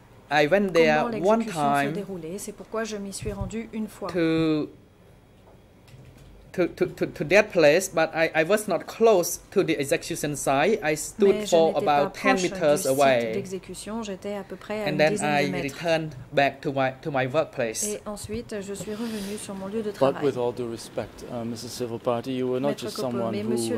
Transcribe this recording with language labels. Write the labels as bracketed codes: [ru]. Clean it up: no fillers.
[en] I went there one time to that place, but I was not close to the execution site. I stood for about 10 meters away. [fr] J'étais à peu près à [en] and then I returned back to my workplace. [fr] Et ensuite, je suis revenu sur mon lieu de travail. [en] But with all due respect, Mr. Civil Party, you were not just someone who